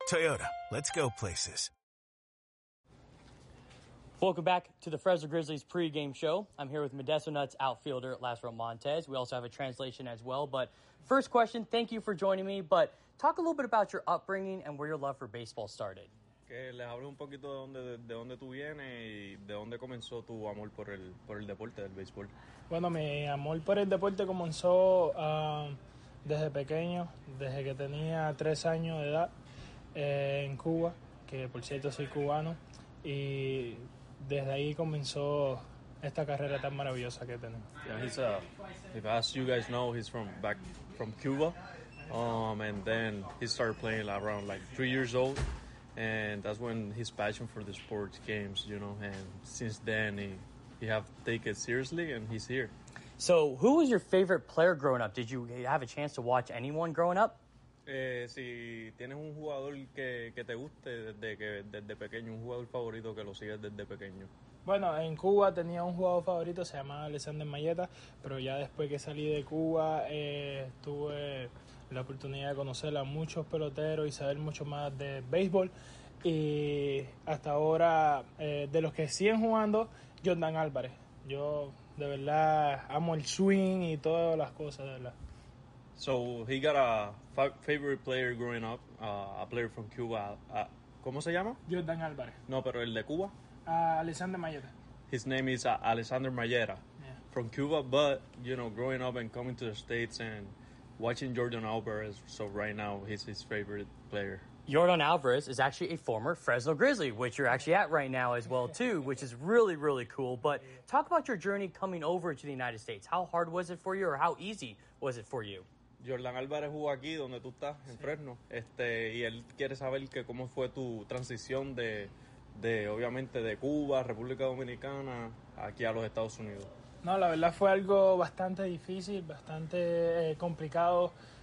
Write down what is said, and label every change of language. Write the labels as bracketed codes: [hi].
[en] Toyota, let's go places. Welcome back to the Fresno Grizzlies pregame show. I'm here with Modesto Nuts outfielder Lázaro Montes. We also have a translation as well. But first question, thank you for joining me. But talk a little bit about your upbringing and where your love for baseball started. [es] Que les hable un poquito de dónde tú vienes y de dónde comenzó tu amor por el deporte del béisbol. Bueno, mi amor por el deporte comenzó desde pequeño, desde que tenía 3 años de edad en Cuba, que por cierto soy cubano, y desde ahí comenzó esta carrera tan maravillosa que tenemos. [en] Yeah, he's if as you guys know, he's from back from Cuba, and then he started playing around like 3 years old, and that's when his passion for the sport came, you know, and since then he have taken it seriously and he's here. So, who was your favorite player growing up? Did you have a chance to watch anyone growing up? [es] Si tienes un jugador que te guste desde pequeño, un jugador favorito que lo sigas desde pequeño. Bueno, en Cuba tenía un jugador favorito, se llamaba Alexander Mayeta, pero ya después que salí de Cuba tuve la oportunidad de conocer a muchos peloteros y saber mucho más de béisbol. Y hasta ahora, de los que siguen jugando, Jordan Álvarez. Yo de verdad amo el swing y todas las cosas, de verdad. [en] So he got a favorite player growing up, a player from Cuba. [es] ¿Cómo se llama? Jordan Álvarez. No, pero el de Cuba. Alexander Mayeta. [en] His name is Alexander Mayeta, yeah. From Cuba. But you know, growing up and coming to the States and watching Jordan Álvarez, so right now he's his favorite player. Jordan Álvarez is actually a former Fresno Grizzly, which you're actually at right now as well, too, which is really, really cool. But talk about your journey coming over to the United States. How hard was it for you, or how easy was it for you? [es] Jordan Álvarez jugó aquí, donde tú estás, en Fresno. Y él quiere saber que cómo fue tu transición de obviamente, de Cuba, República Dominicana, aquí a los Estados Unidos. No, la verdad fue algo bastante difícil, bastante complicado.